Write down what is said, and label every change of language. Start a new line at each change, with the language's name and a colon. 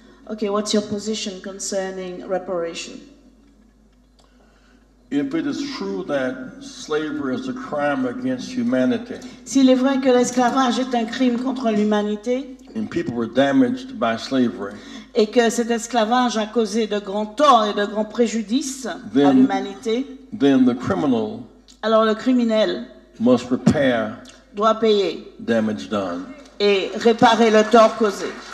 English: Okay, what's your position concerning reparation? If it is true that slavery is a crime against humanity.
French: S'il est vrai que l'esclavage est un crime contre l'humanité.
English: And people were damaged by slavery.
French: Et que cet esclavage a causé de grands torts et de grands préjudices
English: then,
French: à l'humanité.
English: Then the criminal
French: alors le criminel
English: must repair
French: doit payer
English: damage done.
French: Et réparer le tort causé.